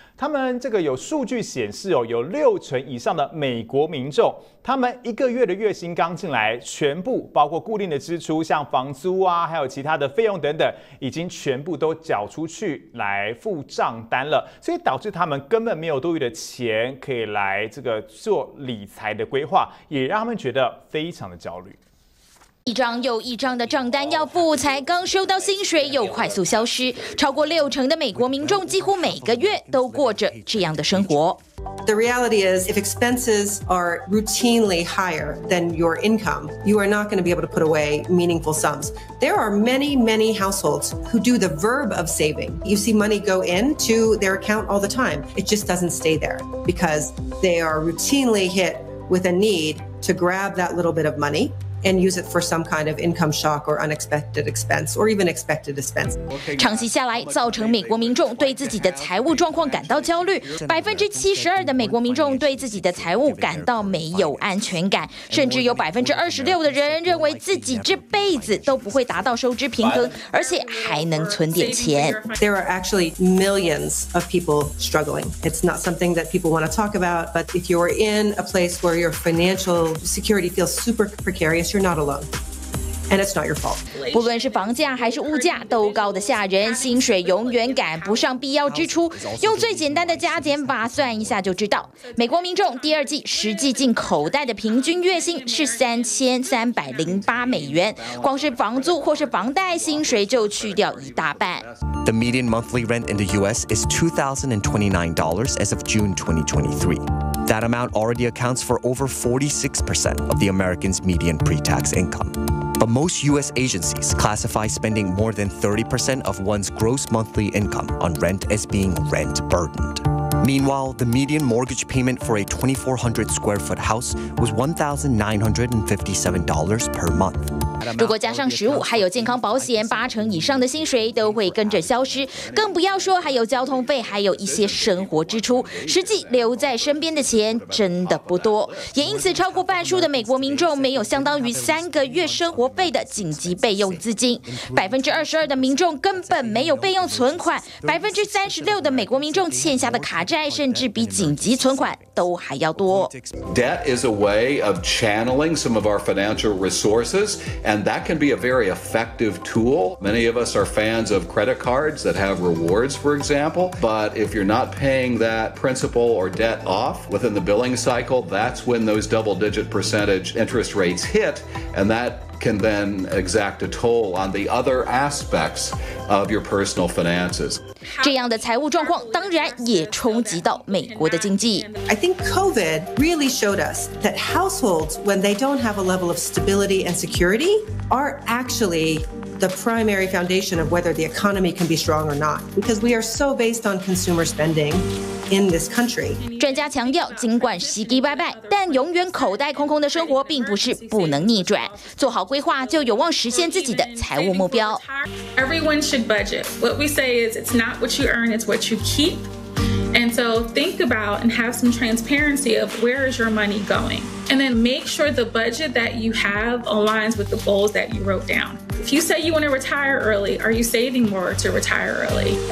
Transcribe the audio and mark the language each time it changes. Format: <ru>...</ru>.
<zh>他们这个有数据显示哦，有六成以上的美国民众，他们一个月的月薪刚进来，全部包括固定的支出，像房租啊，还有其他的费用等等，已经全部都缴出去来付账单了，所以导致他们根本没有多余的钱可以来这个做理财的规划，也让他们觉得非常的焦虑。一张又一张的账单要付，才刚收到薪水又快速消失。超过六成的美国民众几乎每个月都过着这样的生活。</zh> <en>The reality is, if expenses are routinely higher than your income, you are not going to be able to put away meaningful sums. There are many, many households who do the verb of saving. You see money go into their account all the time. It just doesn't stay there because they are routinely hit with a need to grab that little bit of money. And use it for some kind of income shock or unexpected expense, or even expected expense.</en> <zh>长期下来，造成美国民众对自己的财务状况感到焦虑。 72%的美国民众对自己的财务感到没有安全感，甚至有26%的人认为自己这辈子都不会达到收支平衡，而且还能存点钱。</zh> <en>There are actually millions of people struggling. It's not something that people want to talk about. But if you're in a place where your financial security feels super precarious. You're not alone, and it's not your fault.</en> <zh>不论是房价还是物价都高得吓人，薪水永远赶不上必要支出。用最简单的加减法算一下就知道，美国民众第二季实际进口袋的平均月薪是$3,308，光是房租或是房贷，薪水就去掉一大半。</zh> <en>The median monthly rent in the U.S. is $2,029 as of June 2023. That amount already accounts for over 46% of the Americans' median pre-tax income. But most U.S. agencies classify spending more than 30% of one's gross monthly income on rent as being rent burdened. Meanwhile, the median mortgage payment for a 2,400 square foot house was $1,957 per month.</en> <zh>如果加上食物还有健康保险，八成以上的薪水都会跟着消失，更不要说还有交通费，还有一些生活支出，实际留在身边的钱真的不多。也因此超过半数的美国民众没有相当于3个月生活费的紧急备用资金，22%的民众根本没有备用存款，36%的美国民众欠下的卡债甚至比紧急存款都还要多。</zh> <en>Debt is a way of channeling some of our financial resourcesAnd that can be a very effective tool. Many of us are fans of credit cards that have rewards, for example. But if you're not paying that principal or debt off within the billing cycle, that's when those double-digit percentage interest rates hit. And that can then exact a toll on the other aspects of your personal finances.</en> <zh>这样的财务状况当然也冲击到美国的经济。</zh> <en>I think COVID really showed us that households, when they don't have a level of stability and security, are actually the primary foundation of whether the economy can be strong or not. Because we are so based on consumer spending in this country.</en> <zh>专家强调，尽管息息拜拜，但永远口袋空空的生活并不是不能逆转。做好规划就有望实现自己的财务目标。</zh> <en>Everyone should budget. What we say is it's not what you earn, it's what you keep. And so think about and have some transparency of where is your money going. And then make sure the budget that you have aligns with the goals that you wrote down. If you say you want to retire early, are you saving more to retire early?</en>